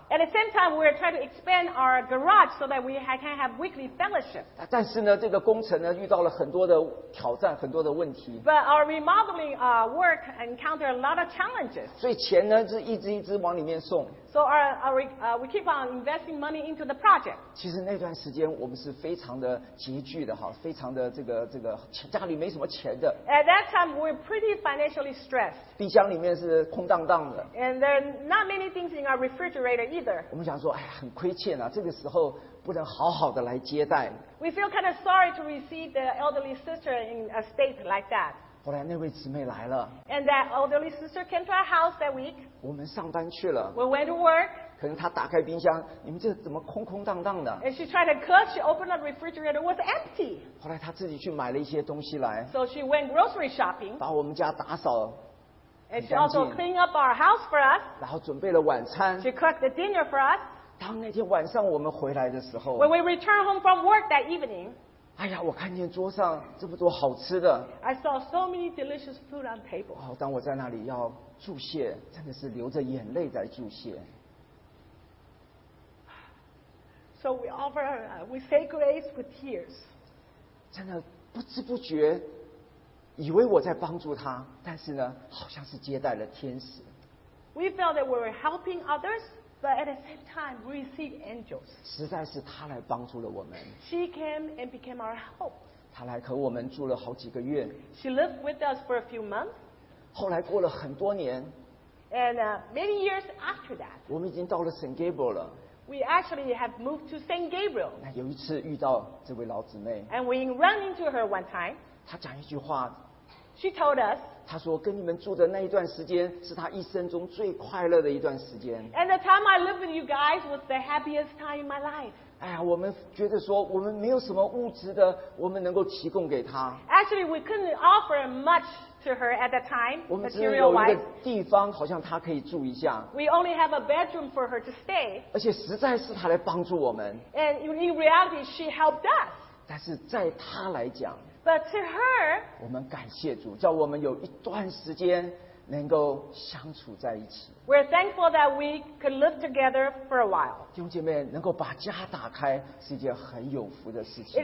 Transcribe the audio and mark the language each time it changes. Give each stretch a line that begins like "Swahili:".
English: At the same time we were trying to expand our garage so that we can have weekly fellowship
Chinese: 但是呢这个工程呢遇到了很多的挑战很多的问题
English: But our remodeling work encountered a lot of challenges
Chinese: 所以钱呢是一直一直往里面送
English: So we keep on investing money into the project
Chinese: 其实那段时间我们是非常的拮据的非常的这个家里没什么钱的
English: At that time we were pretty financially stressed
Chinese: 冰箱里面是空荡荡的
English: And there are not many things in our refrigerator either
Chinese: 我们想说哎呀很亏欠啊这个时候不能好好的来接待
English: We feel kind of sorry to receive the elderly sister in a state like that
Chinese: 后来那位姊妹来了
English: And that elderly sister came to our house that week
Chinese: 我们上班去了
English: We went to work
Chinese: 可能她打开冰箱你们这怎么空空荡荡的
English: And she tried to cook she opened up the refrigerator it was empty
Chinese: 后来她自己去买了一些东西来
English: So she went grocery shopping
Chinese: 把我们家打扫
English: And she also cleaned up our house for us.
Chinese: 然后准备了晚餐。
English: She cooked the dinner for us.
Chinese: 当那天晚上我们回来的时候。
English: When we returned home from work that evening.
Chinese: 哎呀，我看见桌上这么多好吃的。
English: I saw so many delicious food on table.
Chinese: 哦，当我在那里要祝谢，真的是流着眼泪在祝谢。
English: So we offer, we say grace with tears.
Chinese: 真的不知不觉。以为我在帮助他，但是呢，好像是接待了天使。
English: We felt that we were helping others, but at the same time we received angels.
Chinese: 实在是他来帮助了我们。
English: She came and became our help.
Chinese: 他来和我们住了好几个月。
English: She lived with us for a few months.
Chinese: 后来过了很多年。
English: And many years after that.
Chinese: 我们已经到了 Saint Gabriel 了。
English: We actually have moved to Saint Gabriel.
Chinese: 那有一次遇到这位老姊妹。
English: And we ran into her one time.
Chinese: 他讲一句话
English: She told us
Chinese: 他说跟你们住的那一段时间是他一生中最快乐的一段时间
English: And the time I lived with you guys was the happiest time in my life
Chinese: 哎呀我们觉得说我们没有什么物质的我们能够提供给他
English: Actually we couldn't offer much to her at the time
Chinese: 我们只有一个地方好像他可以住一下
English: We only have a bedroom for her to stay
Chinese: 而且实在是他来帮助我们
English: And in reality she helped us
Chinese: 但是在他来讲
English: But to her,
Chinese: 我们感谢主，叫我们有一段时间能够相处在一起。
English: We're thankful that we could live together for a while.
Chinese: 弟兄姐妹，能够把家打开是一件很有福的事情。